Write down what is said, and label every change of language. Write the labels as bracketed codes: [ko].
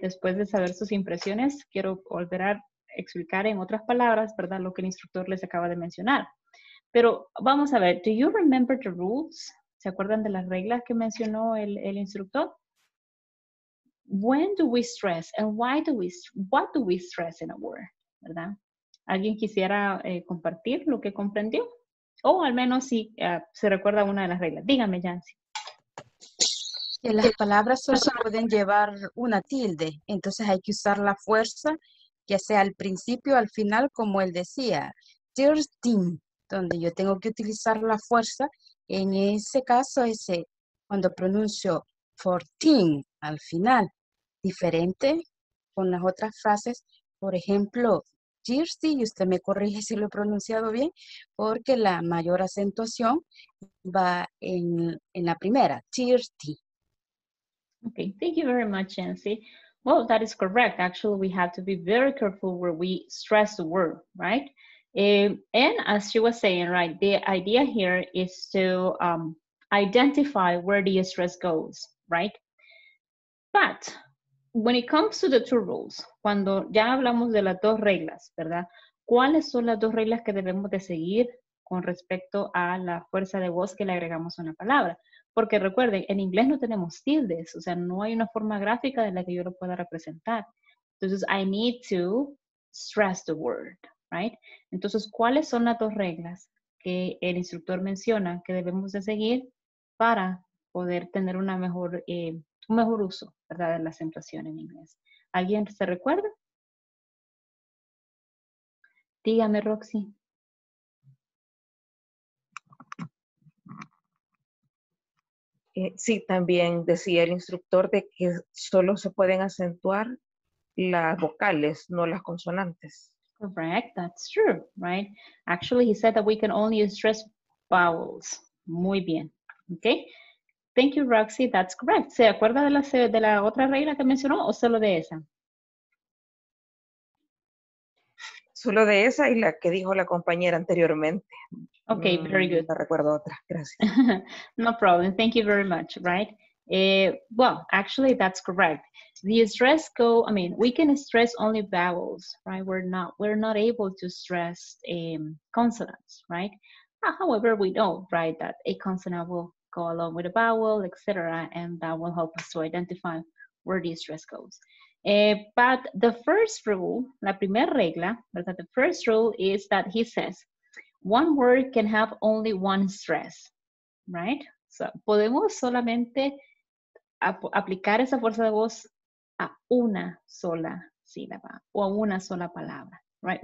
[es] Después de saber sus impresiones, quiero volver a explicar en otras palabras, ¿verdad? Lo que el instructor les acaba de mencionar. Pero vamos a ver, [en] do you remember the rules? [es] ¿Se acuerdan de las reglas que mencionó el instructor? [en] When do we stress and why do we, what do we stress in a word? [es] ¿Verdad? ¿Alguien quisiera compartir lo que comprendió? O al menos si se recuerda una de las reglas. Dígame, Yancy. Que las palabras solo pueden llevar una tilde. Entonces hay que usar la fuerza, ya sea al principio o al final, como él decía. 13, donde yo tengo que utilizar la fuerza. En ese caso, ese cuando pronuncio 14 al final, diferente con las otras frases. Por ejemplo, Jersey, y usted me corrige si lo he pronunciado bien, porque la mayor acentuación va en la primera, Jersey. [en] Okay, thank you very much, Nancy. Well, that is correct. Actually, we have to be very careful where we stress the word, right? And as she was saying, right, the idea here is to identify where the stress goes, right? But when it comes to the two rules, [es] cuando ya hablamos de las dos reglas, ¿verdad? ¿Cuáles son las dos reglas que debemos de seguir con respecto a la fuerza de voz que le agregamos a una palabra? Porque recuerden, en inglés no tenemos tildes, o sea, no hay una forma gráfica de la que yo lo pueda representar. [en] Entonces, I need to stress the word, right? [es] Entonces, ¿cuáles son las dos reglas que el instructor menciona que debemos de seguir para poder tener una mejor, un mejor uso, ¿verdad?, de la acentuación en inglés? ¿Alguien se recuerda? Dígame, Roxy. Sí, también decía el instructor de que solo se pueden acentuar las vocales, no las consonantes. [en] Correct, that's true, right? Actually, he said that we can only stress vowels. [es] Muy bien, [en] okay? Thank you, Roxy, that's correct. [es] ¿Se acuerda de la otra regla que mencionó o solo de esa? Solo de esa y la que dijo la compañera anteriormente. [en] Ok, very good. [es] No recuerdo otra, gracias. [en] No problem, thank you very much, right? Well, actually, that's correct. The stress go, I mean, we can stress only vowels, right? We're not able to stress consonants, right? However, we know, right, that a consonant will go along with a vowel, etc., and that will help us to identify where the stress goes. But the first rule, [es] la primera regla, ¿verdad? [en] The first rule is that he says, one word can have only one stress, right? [es] So, podemos solamente aplicar esa fuerza de voz a una sola sílaba o a una sola palabra, right?